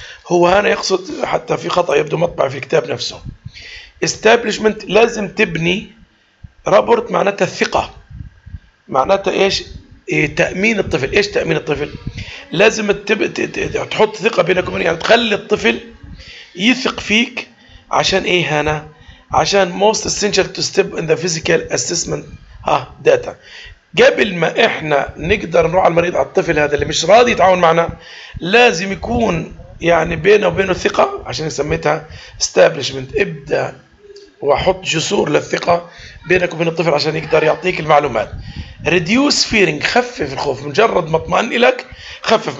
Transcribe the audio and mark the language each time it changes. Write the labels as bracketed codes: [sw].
[ar] هو هنا يقصد حتى في خطأ يبدو مطبع في الكتاب نفسه. استابليشمنت لازم تبني، رابورت معناتها الثقة، معناتها ايش؟ تأمين الطفل. ايش تأمين الطفل؟ لازم تحط ثقة بينك وبين، يعني تخلي الطفل يثق فيك. عشان ايه هنا؟ عشان [en] most essential to step in the physical assessment data. [ar] قبل ما احنا نقدر نروح على المريض، على الطفل هذا اللي مش راضي يتعاون معنا، لازم يكون يعني بينه وبينه ثقة. عشان سميتها establishment، ابدأ وحط جسور للثقة بينك وبين الطفل عشان يقدر يعطيك المعلومات. [en] reduce fearing، [ar] خفف الخوف. مجرد ما اطمئن لك خفف.